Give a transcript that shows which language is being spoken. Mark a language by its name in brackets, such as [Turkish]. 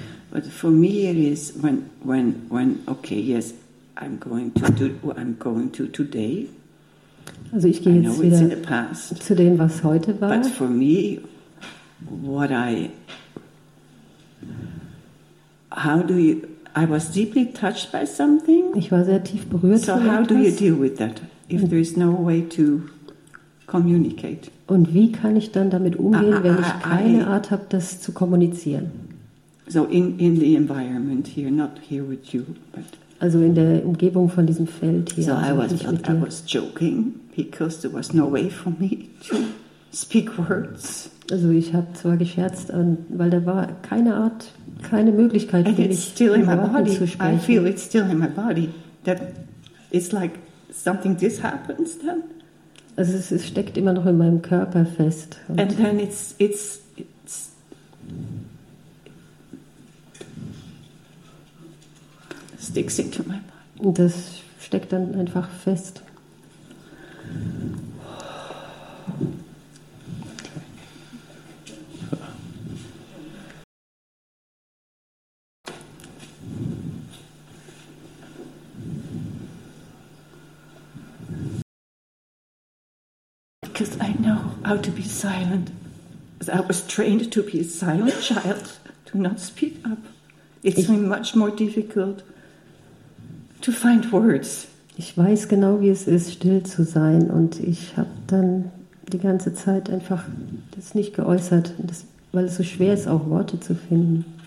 [English] But for me it is when okay, yes, I'm going to do what I'm going to today. [German] Also ich gehe jetzt wieder zu dem, was heute war. [English] But for me, what I... How do you... I was deeply touched by something. [German] Ich war sehr tief berührt. [English] So how do you deal with that if there is no way to communicate? [German] Und wie kann ich dann damit umgehen, wenn ich keine Art habe, das zu kommunizieren? [English] So in the environment here, not here with you, but. [German] Also in der Umgebung von diesem Feld hier. [English] So I was joking because there was no way for me to speak words. [German] Also ich habe zwar gescherzt, weil da war keine Art, keine Möglichkeit für mich, [English] still in my body. [German] Zu sprechen. [English] I feel it's still in my body. That it's like something this happens then. [German] Also es steckt immer noch in meinem Körper fest. [English] And then it's sticks into my body. [German] Das steckt dann einfach fest. [English] Because I know how to be silent. I was trained to be a silent child, to not speak up. It's been much more difficult to find words. [German] Ich weiß genau, wie es ist, still zu sein. Und ich habe dann die ganze Zeit einfach das nicht geäußert, weil es so schwer ist, auch Worte zu finden.